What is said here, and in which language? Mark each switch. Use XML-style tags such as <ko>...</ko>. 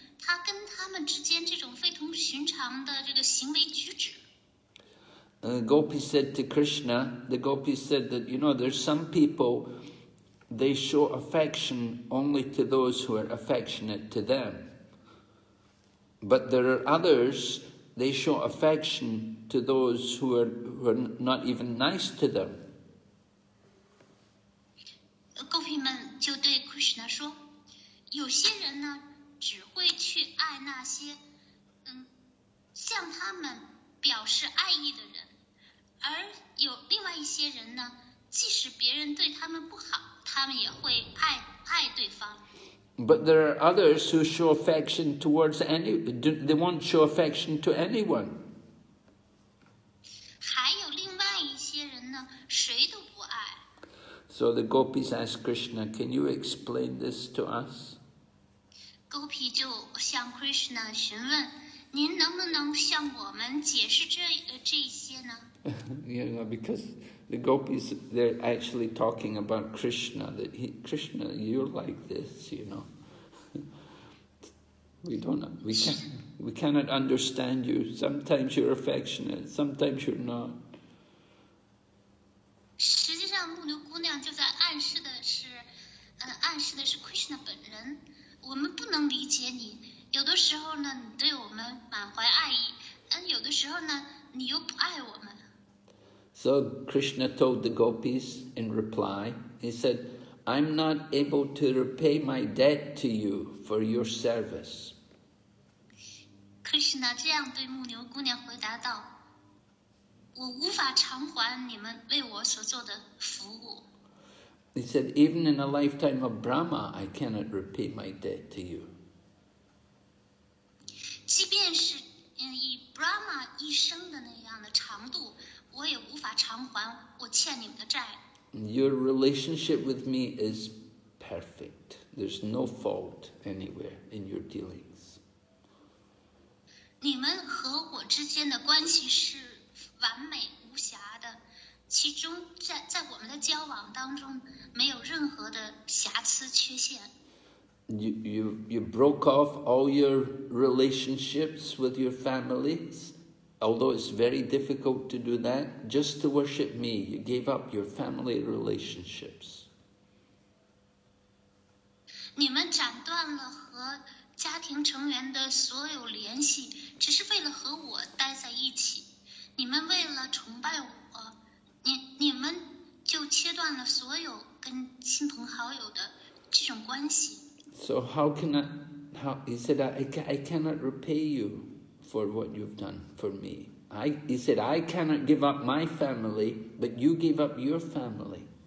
<zh>他跟他们之间这种非同寻常的这个行为举止。</zh> <en>Gopis said to Krishna, the gopis said that, you know, there's some people, they show affection only to those who are affectionate to them. But there are others, they show affection to those who are not even nice to them.</en> <zh>Gopis 们就对 Krishna 说，有些人呢，只会去爱那些，向他们表示爱意的人，而有另外一些人呢，即使别人对他们不好，他们也会爱对方。</zh> <en>But there are others who show affection towards any, they won't show affection to anyone.</en> <zh>还有另外一些人呢，谁都不爱。</zh> <en>So the gopis ask Krishna, "Can you explain this to us?"</en> <zh>Gopi 就向 Krishna 询问，您能不能向我们解释这些呢？</zh> <en>You know, because the gopis, they're actually talking about Krishna, that he, Krishna, you're like this, you know. We cannot understand you. Sometimes you're affectionate, sometimes you're not.</en> <zh>实际上牧牛姑娘就在暗示的是 Krishna 本人。我们不能理解你，有的时候呢，你对我们满怀爱意，但有的时候呢，你又不爱我们。</zh> <en>So Krishna told the gopis in reply, he said, "I'm not able to repay my debt to you for your service."</en> <zh>Krishna 这样对牧牛姑娘回答道：“我无法偿还你们为我所做的服务。”</zh> <en>He said, "Even in a lifetime of Brahma, I cannot repay my debt to you."</en> <zh>即便是以 Brahma 一生的那样的长度，我也无法偿还我欠你们的债。</zh> <en>Your relationship with me is perfect. There's no fault anywhere in your dealings.</en> <zh>你们和我之间的关系是完美无瑕的。其中在我们的交往当中没有任何的瑕疵缺陷。</zh> <en>You broke off all your relationships with your families, although it's very difficult to do that, just to worship me. You gave up your family relationships.</en> <zh>你们斩断了和家庭成员的所有联系，只是为了和我待在一起。你们为了崇拜我。你们就切断了所有跟亲朋好友的这种关系。</zh> <en>So how can I? How he said I cannot repay you for what you've done for me. He said I cannot give up my family, but you gave up your family.</en>